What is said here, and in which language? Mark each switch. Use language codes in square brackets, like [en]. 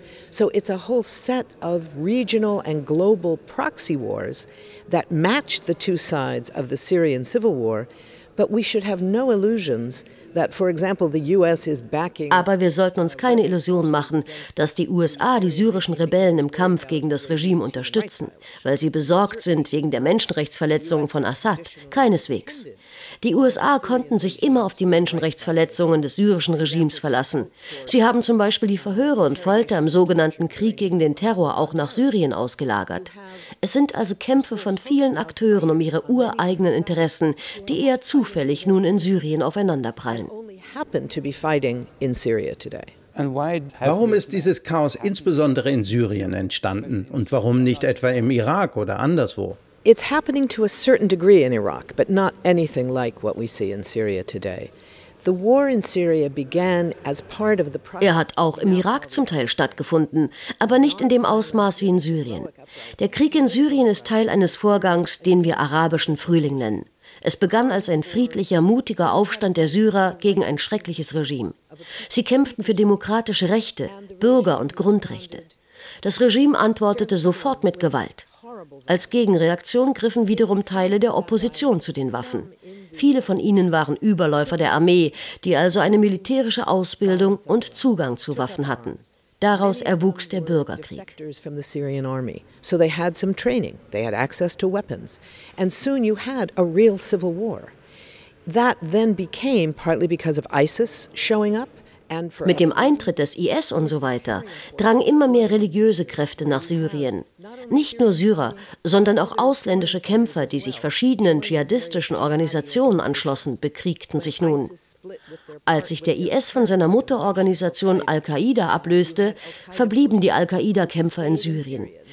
[en] So it's a whole set of regional and global proxy wars that match the two sides of the Syrian civil war, but we should have no illusions that, for example, the US is backing. [de] Aber wir sollten uns keine Illusionen machen, dass die USA die syrischen Rebellen im Kampf gegen das Regime unterstützen, weil sie besorgt sind wegen der Menschenrechtsverletzungen von Assad. Keineswegs. Die USA konnten sich immer auf die Menschenrechtsverletzungen des syrischen Regimes verlassen. Sie haben zum Beispiel die Verhöre und Folter im sogenannten Krieg gegen den Terror auch nach Syrien ausgelagert. Es sind also Kämpfe von vielen Akteuren um ihre ureigenen Interessen, die eher zufällig nun in Syrien aufeinanderprallen. Warum ist dieses Chaos insbesondere in Syrien entstanden und warum nicht etwa im Irak oder anderswo? [en] It's happening to a certain degree in Iraq, but not anything like what we see in Syria today. The war in Syria began as part of the process. [de] Er hat auch im Irak zum Teil stattgefunden, aber nicht in dem Ausmaß wie in Syrien. Der Krieg in Syrien ist Teil eines Vorgangs, den wir arabischen Frühling nennen. Es begann als ein friedlicher, mutiger Aufstand der Syrer gegen ein schreckliches Regime. Sie kämpften für demokratische Rechte, Bürger- und Grundrechte. Das Regime antwortete sofort mit Gewalt. Als Gegenreaktion griffen wiederum Teile der Opposition zu den Waffen. Viele von ihnen waren Überläufer der Armee, die also eine militärische Ausbildung und Zugang zu Waffen hatten. Daraus erwuchs der Bürgerkrieg. [en] So they had some training, they had access to weapons, and soon you had a real civil war. That then became partly because of ISIS showing up. [de] Mit dem Eintritt des IS und so weiter drangen immer mehr religiöse Kräfte nach Syrien. Nicht nur Syrer, sondern auch ausländische Kämpfer, die sich verschiedenen dschihadistischen Organisationen anschlossen, bekriegten sich nun. Als sich der IS von seiner Mutterorganisation Al-Qaida ablöste, verblieben die Al-Qaida-Kämpfer in Syrien.